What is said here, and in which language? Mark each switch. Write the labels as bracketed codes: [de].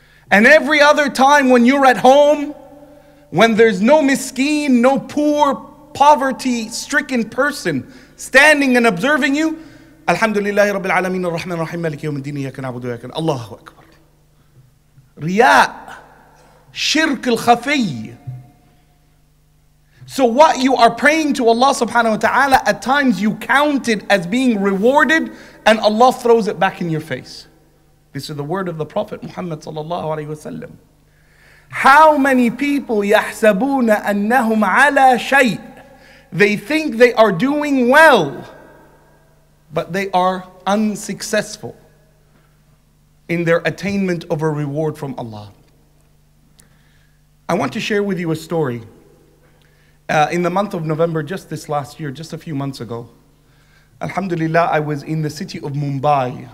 [en] And every other time when you're at home, when there's no miskeen, no poor, poverty-stricken person standing and observing you, Alhamdulillahi Rabbil Alameen, Ar-Rahman Ar-Rahim, Malik Yawm Al-Din, Iyyaka Na'budu Wa Iyyaka Nasta'in. Allahu Akbar. Riya'. Shirk al-khafi. So what you are praying to Allah subhanahu wa ta'ala, at times you count it as being rewarded and Allah throws it back in your face. This is the word of the Prophet Muhammad sallallahu alayhi wa sallam. How many people [ar] يحسبون أنهم على شيء. [en] They think they are doing well, but they are unsuccessful. in their attainment of a reward from Allah. I want to share with you a story. In the month of November, just this last year, just a few months ago, Alhamdulillah, I was in the city of Mumbai.